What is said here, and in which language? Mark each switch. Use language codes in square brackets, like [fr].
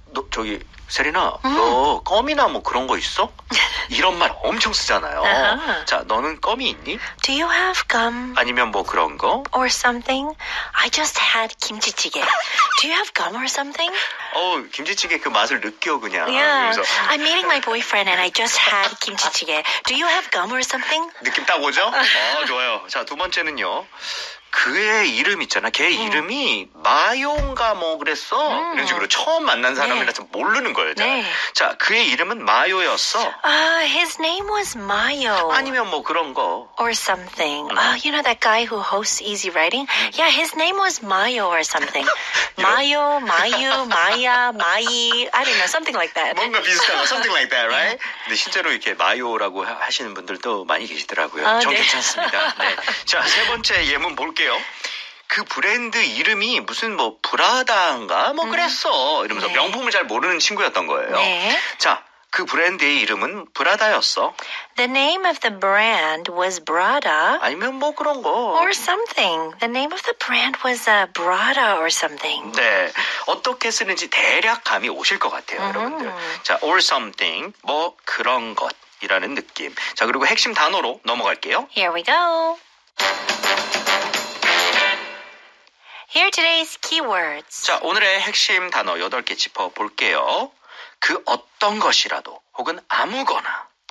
[ko] 저기 세리나, 너 껌이나 뭐 그런 거 있어? 이런 말 엄청 쓰잖아요. 자, 너는 껌이 있니? [en] Do you have gum? [ko] 아니면 뭐 그런 거? [en] Or something? I just had 김치찌개. Do you have gum or something? [ko] 어, 김치찌개 그 맛을 느껴 그냥. [en] Yeah. I'm meeting my boyfriend and I just had 김치찌개. Do you have gum or something? [ko] 느낌 딱 오죠? 어, 좋아요. 자, 두 번째는요. 그의 이름 있잖아. 걔 이름이 마요인가 뭐 그랬어? 이런 식으로 처음 만난 사람이라서 모르는 거예요. 네. 자, 그의 이름은 마요였어. [en] His name was Mayo. [ko] 아니면 뭐 그런 거. [en] Or something. You know that guy who hosts Easy Writing? Yeah, his name was Mayo or something. Mayo, Mayu, Maya, Mai. I don't know, something like that. [ko] 뭔가 비슷한 거. [en] Something like that, right? [ko] 근데 실제로 이렇게 마요라고 하시는 분들도 많이 계시더라고요. 전 괜찮습니다. 네. 자, 세 번째 예문 볼 볼게요. 그 브랜드 이름이 무슨 뭐 브라다인가 뭐 그랬어 이러면서 명품을 잘 모르는 친구였던 거예요. 자, 그 브랜드의 이름은 브라다였어. [en] The name of the brand was Brada. [ko] 아니면 뭐 그런 거. [en] Or something. The name of the brand was Brada or something. [ko] 네. 어떻게 쓰는지 대략 감이 오실 것 같아요, 여러분들. 자, [en] or something. [ko] 뭐 그런 것이라는 느낌. 자, 그리고 핵심 단어로 넘어갈게요. [en] Here we go. Here are today's keywords. [ko] 자, 오늘의 핵심 단어 8개 짚어볼게요. 그 어떤 것이라도 혹은 아무거나.